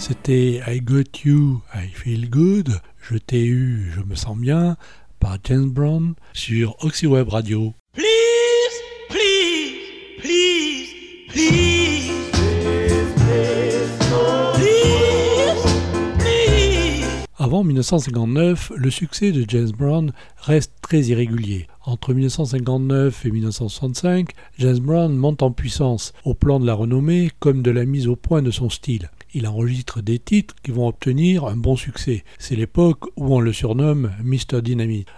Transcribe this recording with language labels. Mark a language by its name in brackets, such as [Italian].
[English] I got you, I feel good, [French] je t'ai eu, je me sens bien, par James Brown sur OxyWeb Radio. [English] Please, please, please, please. [French] Avant 1959, le succès de James Brown reste très irrégulier. Entre 1959 et 1965, James Brown monte en puissance, au plan de la renommée comme de la mise au point de son style. Il enregistre des titres qui vont obtenir un bon succès. C'est l'époque où on le surnomme Mr. Dynamite.